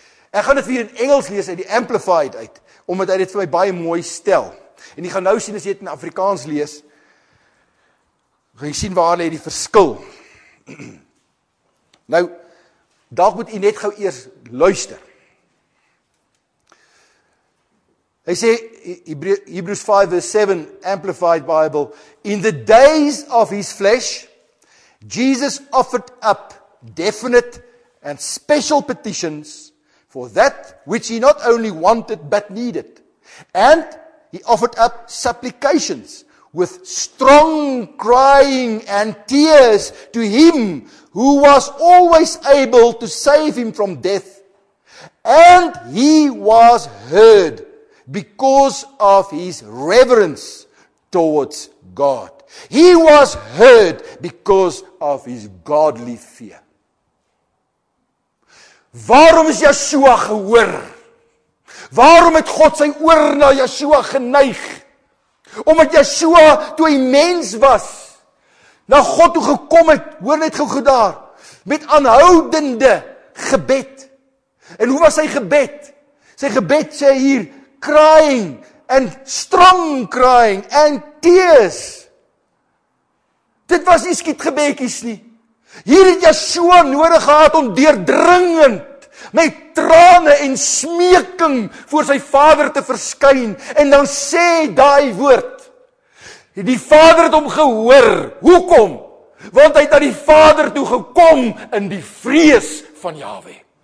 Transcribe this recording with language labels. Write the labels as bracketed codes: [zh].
[af] Ek gaan dit vir in Engels lees uit die Amplified uit, omdat hy dit vir my baie mooi stel. En jy gaan nou sien as jy dit in Afrikaans lees, gaan jy sien waar lê die verskil. Nou, daar moet jy net gou eers luister. [en] Hy sê, Hebrews 5 verse 7, Amplified Bible, in the days of his flesh, Jesus offered up definite and special petitions for that which he not only wanted but needed. And he offered up supplications with strong crying and tears to him who was always able to save him from death. And he was heard because of his reverence towards God. He was heard because of his godly fear. [af] Waarom is Yeshua gehoor? Waarom het God sy oor na Yeshua geneig? Omdat Yeshua, toe hy mens was, na God toe gekom het, hoor net gou daar, met aanhoudende gebed. En hoe was sy gebed? Sy gebed sê hier, [en] crying, and strong crying, and tears. [af] Dit was nie skietgebedjies nie. Hier het Yeshua nodig gehad om deurdringend met trane en smeking voor sy Vader te verskyn en dan sê daai woord. Die Vader het hom gehoor. Hoekom? Want hy het na die Vader toe gekom in die vrees van Jahwe.